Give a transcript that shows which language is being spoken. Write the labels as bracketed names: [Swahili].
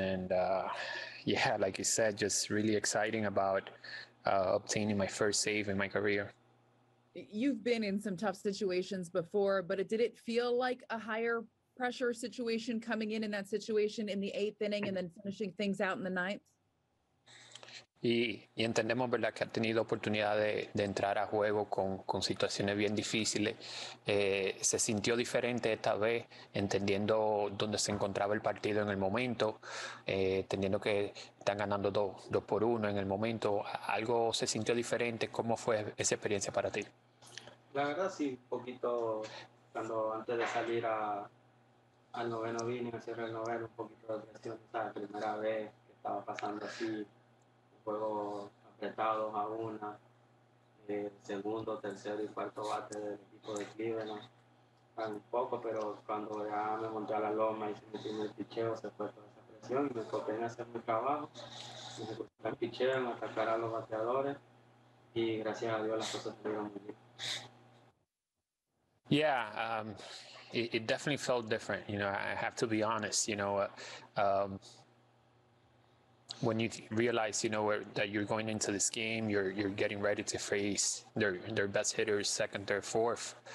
[English] And yeah, like you said, just really exciting about obtaining my first save in my career. You've been in some tough situations before, but did it feel like a higher pressure situation coming in that situation in the eighth inning and then finishing things out in the ninth? [Spanish] Y entendemos, ¿verdad?, que ha tenido oportunidad de entrar a juego con situaciones bien difíciles. Se sintió diferente esta vez, entendiendo dónde se encontraba el partido en el momento, entendiendo que están ganando 2-1 en el momento. ¿Algo se sintió diferente? ¿Cómo fue esa experiencia para ti? La verdad, sí, un poquito, cuando antes de salir al noveno vine, al cierre del noveno, un poquito de presión, la primera vez que estaba pasando así. Juego apretado a una, segundo, tercero y cuarto bate del equipo de Cleveland. Un poco, pero cuando ya me monté a la loma y se me tiene el picheo, se fue toda esa presión y me enfoqué en hacer mi trabajo, en ejecutar el picheo, en atacar a los bateadores y gracias a Dios las cosas salieron muy bien. [English] Yeah, it definitely felt different, you know, I have to be honest, you know. When you realize, you know, that you're going into this game, you're getting ready to face their best hitters, second, third, fourth.